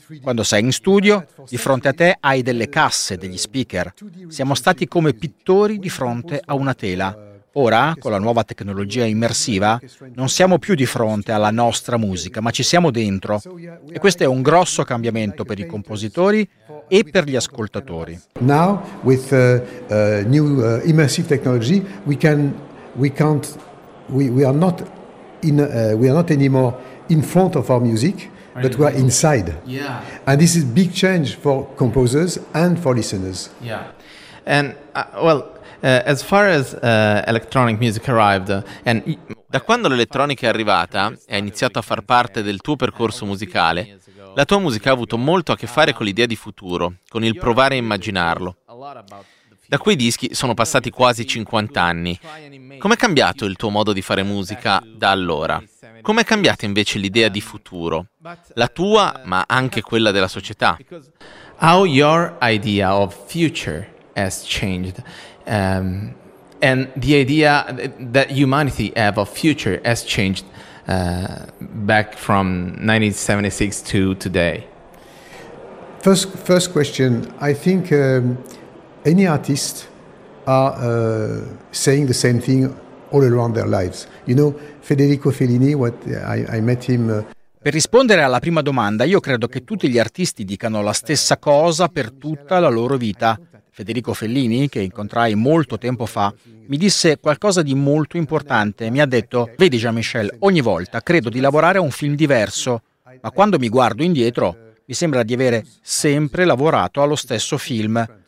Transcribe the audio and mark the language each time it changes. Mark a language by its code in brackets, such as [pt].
[it] Quando sei in studio, di fronte a te hai delle casse, degli speaker. Siamo stati come pittori di fronte a una tela. Ora, con la nuova tecnologia immersiva, non siamo più di fronte alla nostra musica, ma ci siamo dentro. E questo è un grosso cambiamento per i compositori e per gli ascoltatori. [en] Now, with new immersive technology, we are not anymore in front of our music, but we are inside. Yeah. And this is a big change for composers and for listeners. Yeah. And as far as electronic music arrived, and [it] da quando l'elettronica è arrivata e ha iniziato a far parte del tuo percorso musicale, la tua musica ha avuto molto a che fare con l'idea di futuro, con il provare a immaginarlo. Da quei dischi sono passati quasi 50 anni. Com'è cambiato il tuo modo di fare musica da allora? Com'è cambiata invece l'idea di futuro? La tua, ma anche quella della società. [en] How your idea of future has changed? And the idea that humanity have of future has changed back from 1976 to today. First question. I think any artist are saying the same thing all around their lives. You know, Federico Fellini. I met him. [it] Per rispondere alla prima domanda, io credo che tutti gli artisti dicano la stessa cosa per tutta la loro vita. Federico Fellini, che incontrai molto tempo fa, mi disse qualcosa di molto importante. Mi ha detto, vedi Jean-Michel, ogni volta credo di lavorare a un film diverso, ma quando mi guardo indietro mi sembra di avere sempre lavorato allo stesso film.